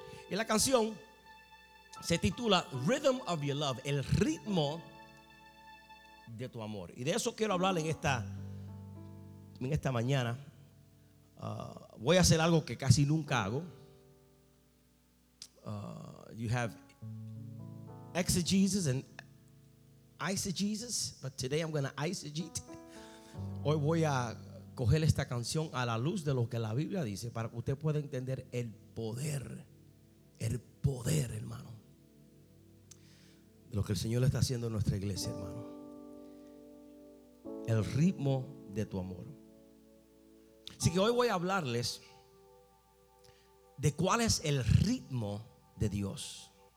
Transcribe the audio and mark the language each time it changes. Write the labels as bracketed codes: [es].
[es] Y la canción se titula Rhythm of Your Love, el ritmo de tu amor. Y de eso quiero hablar en esta mañana. Voy a hacer algo que casi nunca hago. [en] You have exegesis and eisegesis, but today I'm going to eisegete. [es] Hoy voy a coger esta canción a la luz de lo que la Biblia dice, para que usted pueda entender el poder, hermano, de lo que el Señor está haciendo en nuestra iglesia, hermano. El ritmo de tu amor. Así que hoy voy a hablarles de cuál es el ritmo de Dios.